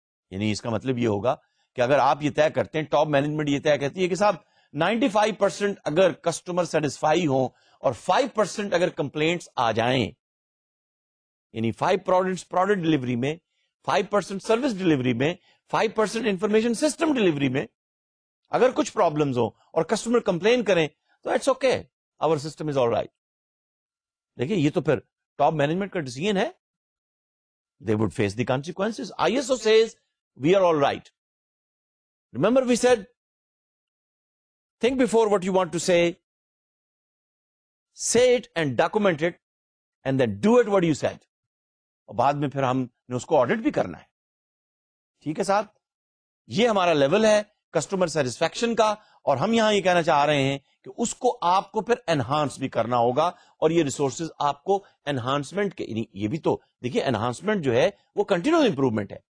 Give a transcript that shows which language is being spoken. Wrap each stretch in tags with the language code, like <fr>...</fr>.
<ur>یعنی اس کا مطلب یہ ہوگا کہ اگر آپ یہ طے کرتے ہیں, ٹاپ مینجمنٹ یہ طے کرتی ہے کہ صاحب 95% اگر کسٹمر سیٹسفائی ہوں اور 5% اگر کمپلینٹس آ جائیں, یعنی 5% پروڈکٹ ڈلیوری میں, 5% سروس ڈلیوری میں, 5% انفارمیشن سسٹم ڈلیوری میں اگر کچھ پرابلمز ہوں اور کسٹمر کمپلین کریں تو</ur> <en>It's okay, our system is all right.</en> <ur>دیکھیے یہ تو پھر ٹاپ مینجمنٹ کا ڈیسیژن ہے,</ur> <en>they would face the consequences. ISO says we are all right. Remember we said think before what you want to say, say it and document it and then do it what you said.</en> <ur>اور بعد میں پھر ہم نے اس کو audit بھی کرنا ہے. ٹھیک ہے صاحب, یہ ہمارا لیول ہے کسٹمر سیٹسفیکشن کا, اور ہم یہاں یہ کہنا چاہ رہے ہیں کہ اس کو آپ کو پھر انہانس بھی کرنا ہوگا, اور یہ ریسورسز آپ کو انہانسمنٹ کے, یعنی یہ بھی تو دیکھیے انہانسمنٹ جو ہے وہ کنٹینیول امپروومنٹ ہے.</ur>